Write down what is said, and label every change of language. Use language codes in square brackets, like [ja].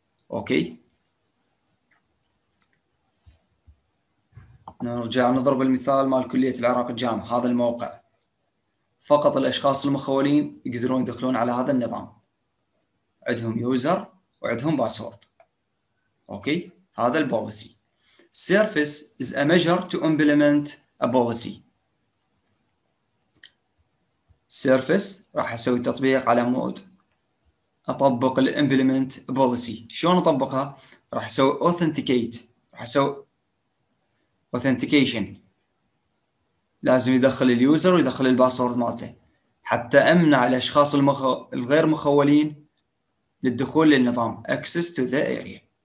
[ar] اوكي نرجع نضرب المثال مال كليه العراق الجامعه، هذا الموقع فقط الأشخاص المخولين يقدرون يدخلون على هذا النظام، عندهم يوزر وعندهم باسورد. أوكي هذا البوليسي. [en] Service is a measure to implement a policy. [ar] سيرفيس راح أسوي تطبيق على مود أطبق الـ [en] implement a policy. [ar] شلون أطبقها؟ راح أسوي authenticate، راح أسوي authentication، لازم يدخل اليوزر ويدخل الباسورد مالته حتى امنع الاشخاص الغير مخولين للدخول للنظام [en] access to the area.